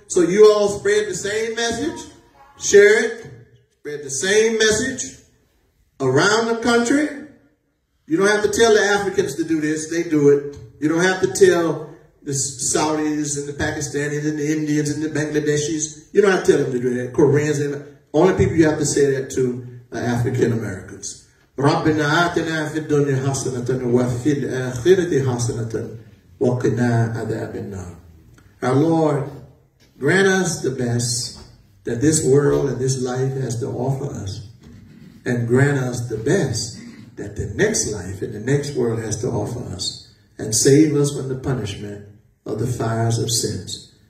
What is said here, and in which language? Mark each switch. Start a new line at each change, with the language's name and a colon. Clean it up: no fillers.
English: So you all spread the same message, share it, spread the same message around the country, You don't have to tell the Africans to do this. They do it. You don't have to tell the Saudis and the Pakistanis and the Indians and the Bangladeshis. You don't have to tell them to do that. Koreans and only people you have to say that to are African Americans.
Arabic: ربنا آتنا في الدنيا حسنة وفي الآخرة حسنة وقنا عذاب النار.
English: Our Lord, grant us the best that this world and this life has to offer us, and grant us the best that the next life and the next world has to offer us, and save us from the punishment of the fires of sins.